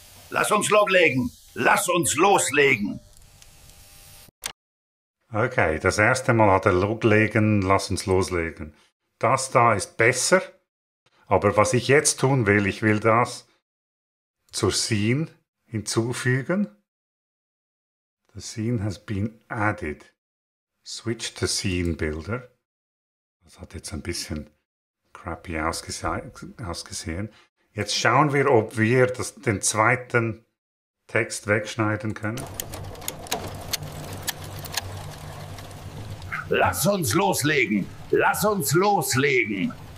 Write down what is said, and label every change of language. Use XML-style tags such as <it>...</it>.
<de>Lass uns loslegen. Lass uns loslegen. Okay, das erste Mal hat er loslegen, lass uns loslegen. Das da ist besser, aber was ich jetzt tun will, ich will das zur Scene hinzufügen.</de> <en>The scene has been added. Switch to scene builder.</en> <de>Das hat jetzt ein bisschen crappy ausgesehen. Jetzt schauen wir, ob wir den zweiten Text wegschneiden können. Lass uns loslegen! Lass uns loslegen!</de>